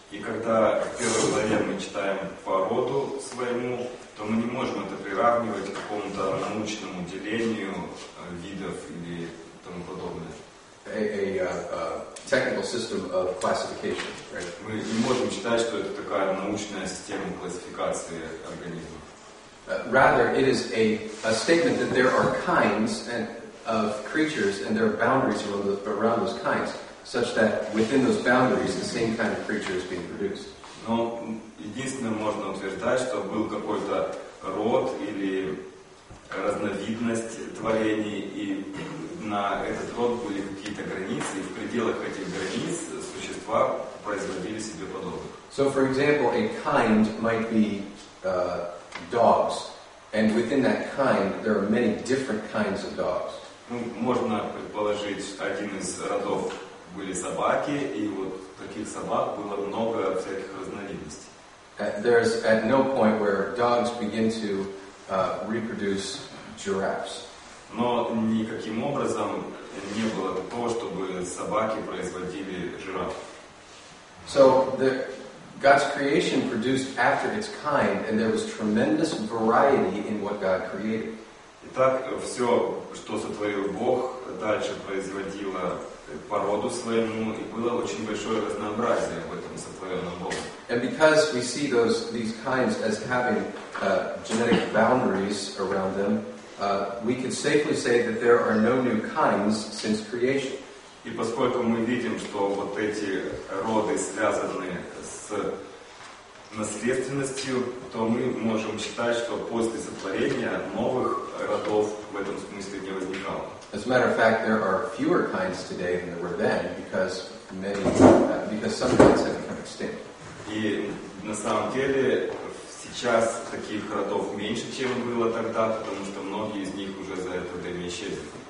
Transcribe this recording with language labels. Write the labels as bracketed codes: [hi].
[ru] И когда в первой главе мы читаем породу своему, то мы не можем это приравнивать к какому-то научному делению видов или тому подобное. [en] Technical system of classification, right? [ru] Мы не можем считать, что это такая научная система классификации организма. [en] Rather, it is a statement that there are kinds and of creatures and there are boundaries around those kinds, such that within those boundaries the same kind of creature is being produced. [ru] Но единственное можно утверждать, что был какой-то род или разновидность творений, и на этот род были какие-то границы, и в пределах этих границ существа производили себе подобных. [en] So, for example, a kind might be dogs, and within that kind there are many different kinds of dogs. [ru] Ну, можно предположить, один из родов были собаки, и вот таких собак было много всяких разновидностей. [en] There's at no point where dogs begin to reproduce giraffes. [ru] Но никаким образом не было того, чтобы собаки производили жираф. [en] So God's creation produced after its kind, and there was tremendous variety in what God created. [ru] Итак, все, что сотворил Бог, дальше производило породу своему, и было очень большое разнообразие в этом сотворенном Боге. [en] And because we see these kinds as having genetic boundaries around them, we can safely say that there are no new kinds since creation. [ru] И поскольку мы видим, что вот эти роды связаны с наследственностью, то мы можем считать, что после сотворения новых родов в этом смысле не возникало. [en] As a matter of fact, there are fewer kinds today than there were then, because because some kinds have become extinct. [ru] И на самом деле сейчас таких родов меньше, чем было тогда, потому что многие из них уже за это время исчезли.